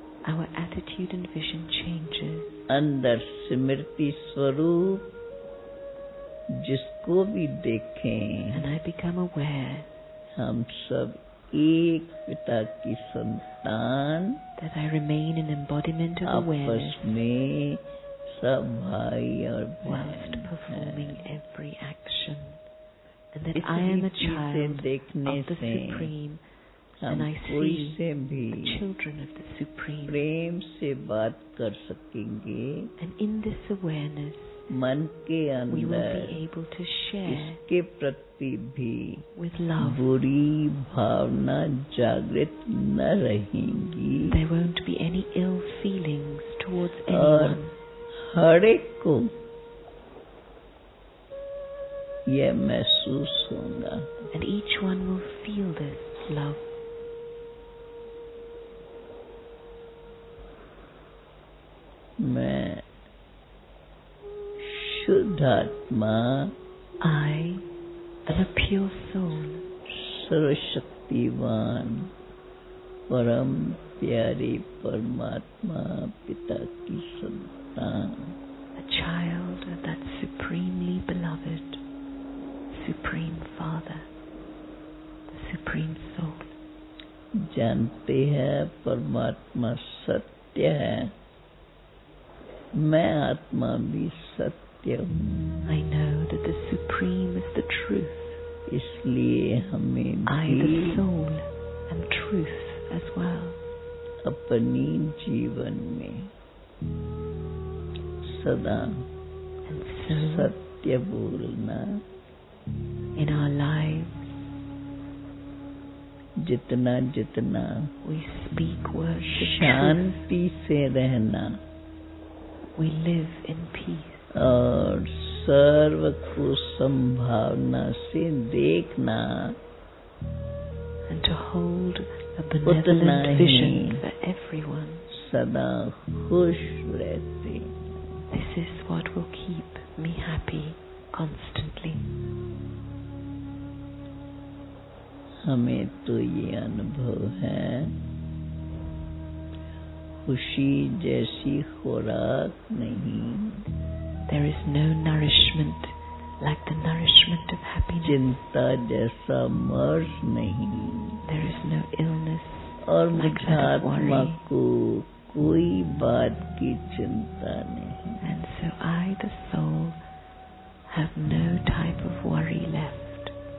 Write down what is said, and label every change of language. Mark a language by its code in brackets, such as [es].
[en] our attitude and vision changes [hi] अंदर स्मृति स्वरूप जिसको भी देखें [en] and I become aware [hi] हम सब एक पिता की संतान [en] that I remain an embodiment of awareness [hi] आपस में सब भाई और बहन [en] whilst performing every action and that I am a child of the supreme and I see the children of the supreme [hi] प्रेम से बात कर सकेंगे [en] and in this awareness [hi] मन के अंदर इसके प्रति भी [en] with love. [hi] बुरी भावना जागृत न रहेंगी [en] there won't be any ill feelings towards anyone [hi] और हर एक को ये महसूस होगा [en] and each one will feel this love [hi] मैं शुद्ध आत्मा [en] I am a pure soul [hi] सर्वशक्तिवान परम प्यारे परमात्मा पिता की संतान [en] a child of that supremely beloved supreme father the supreme soul [hi] जानते हैं परमात्मा सत्य है मैं आत्मा भी सत्य [en] I know that the supreme is the truth. [hi] इसलिए हमें [en] I, the soul, am truth as well. [hi] अपने जीवन में सदा [en] and so, [hi] सत्य बोलना [en] in our lives [hi] जितना जितना [en] we speak words [hi] शांति से रहना [en] we live in peace. [hi] और सर्व को संभावना से देखना [en] and to hold a benevolent vision for everyone [hi] सदा खुश रहते [en] this is what will keep me happy constantly [hi] हमें तो ये अनुभव है खुशी जैसी खुराक नहीं [en] There is no nourishment like the nourishment of happiness. [hi] Chinta jaisa marz nahi. [en] There is no illness [hi] Aur [en] like that of worry. [hi] Ko koi baat ki chinta nahi. [en] And so I, the soul, have no type of worry left.